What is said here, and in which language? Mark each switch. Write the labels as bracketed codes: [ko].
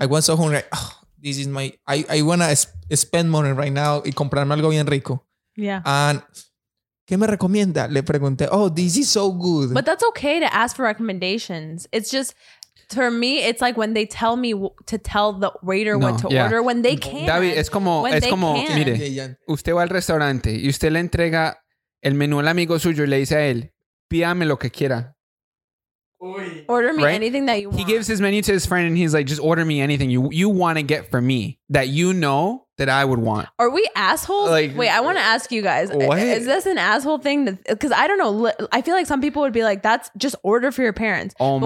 [en] I was so hungry. Oh, this is my... I want to spend money right now [es] y comprarme algo bien rico. [en] Yeah. And, [es] ¿qué me recomienda? Le pregunté, [en] oh, this is so good. But that's okay to ask for recommendations. It's just... For me, it's like when they tell me to tell the waiter order, when they can. [es] David, es como, mire, usted va al restaurante y usted le entrega el menú al amigo suyo y le dice a él, pídame lo que quiera. [en] Order me anything that you want. He gives his menu to his friend and he's like, just order me anything you want to get for me that you know that I would want. Are we assholes? Like, wait, I want to ask you guys. What? Is this an asshole thing? Because I don't know. I feel like some people would be like, that's just order for your parents. Oh my